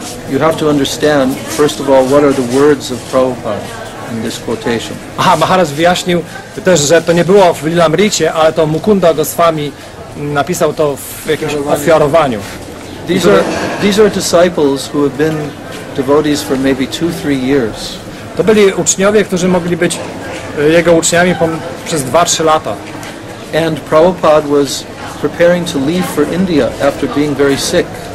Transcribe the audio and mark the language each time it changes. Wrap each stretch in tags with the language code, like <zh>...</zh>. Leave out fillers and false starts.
<en>You have to understand, first of all, what are the words of Prabhupada in this quotation.</en> <pl>Aha, Maharaj wyjaśnił też, że to nie było w Lilamricie, ale to Mukunda Goswami napisał to w jakimś ofiarowaniu.</pl> <en>These are disciples who have been devotees for maybe 2-3 years.</en> <pl>To byli uczniowie, którzy mogli być jego uczniami przez 2-3 lata.</pl> <en>And Prabhupada was preparing to leave for India after being very sick.</en>